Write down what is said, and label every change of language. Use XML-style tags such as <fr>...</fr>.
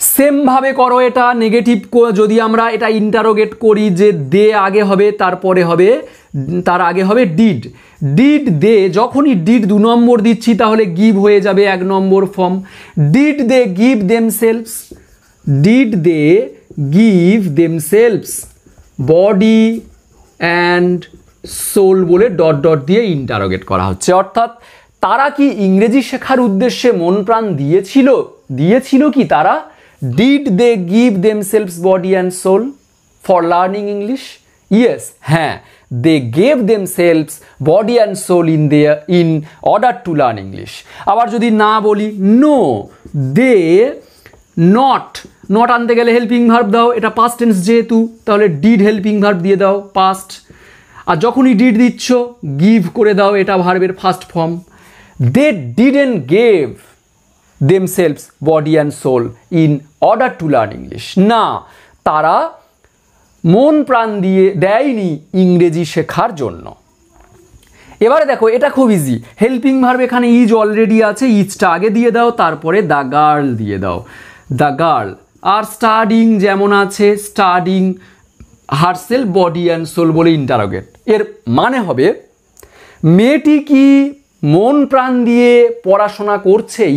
<bn>সেমভাবে করো এটা নেগেটিভ, যদি আমরা এটা ইন্টারোগেট করি যে দে আগে হবে, তারপরে হবে, তার আগে হবে ডিড, ডিড দে, যখনই ডিড দু নম্বর দিচ্ছি তাহলে গিভ হয়ে যাবে এক নম্বর form, did they give them sales, did they</bn> <en>give themselves body and soul</en> <bn>বলে ডট ডট দিয়ে ইন্টারোগেট করা হচ্ছে, অর্থাৎ তারা কি ইংরেজি শেখার উদ্দেশ্যে মন প্রাণ দিয়েছিল, দিয়েছিল কি তারা?</bn> <en>Did they give themselves body and soul for learning English? Yes, হ্যাঁ, they gave themselves body and soul in their in order to learn English.</en> <bn>আবার যদি না বলি,</bn> <en>no, they not, not</en> <bn>আনতে গেলে helping verb দাও, এটা past tense যেহেতু, তাহলে did helping verb দিয়ে দাও past. আর যখনই did দিচ্ছ, give করে দাও, এটা verbের first form.</bn> <en>They didn't give themselves body and soul in order to learn English.</en> <bn>না, তারা মন প্রাণ দিয়ে দেয়নি ইংরেজি শেখার জন্য. এবারে দেখো, এটা খুব ইজি. হেল্পিং ভার্ব এখানে ইজ অলরেডি আছে, ইজটা আগে দিয়ে দাও, তারপরে দ্য গার্ল দিয়ে দাও, দ্য গার্ল. আর স্টাডিং যেমন আছে, studying herself body and soul বলে ইন্টারোগেট, এর মানে হবে মেয়েটি কি মন প্রাণ দিয়ে পড়াশোনা করছে?</bn>